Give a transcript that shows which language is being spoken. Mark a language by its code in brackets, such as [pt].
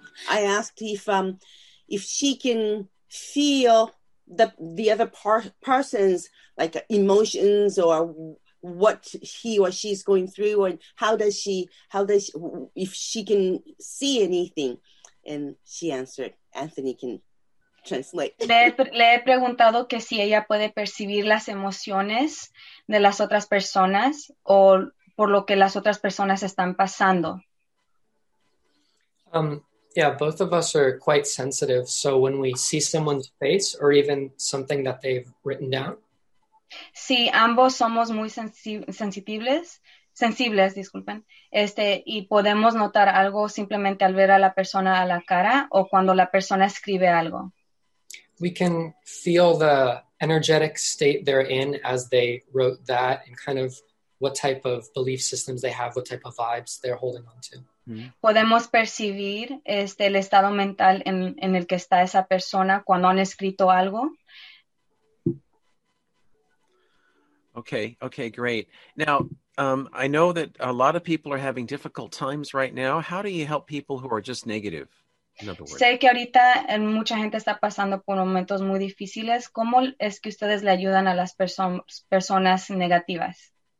[en] I asked if she can feel the other person's like emotions or what he or she's going through and how does she if she can see anything, and she answered, Anthony can translate. [es] le he preguntado que si ella puede percibir las emociones de las otras personas o por lo que las otras personas están pasando. [en] Yeah, both of us are quite sensitive. So when we see someone's face or even something that they've written down. [es] Sí, ambos somos muy sensibles, disculpen. Y podemos notar algo simplemente al ver a la persona a la cara o cuando la persona escribe algo. [en] We can feel the energetic state they're in as they wrote that and kind of what type of belief systems they have, what type of vibes they're holding on to. [es] Podemos percibir el estado mental en el que está esa persona cuando han escrito algo. [en] Okay, great. Now, I know that a lot of people are having difficult times right now. How do you help people who are just negative, in other words? [es] Sé que ahorita mucha gente está pasando por momentos muy difíciles. ¿Cómo es que ustedes le ayudan a las personas negativas?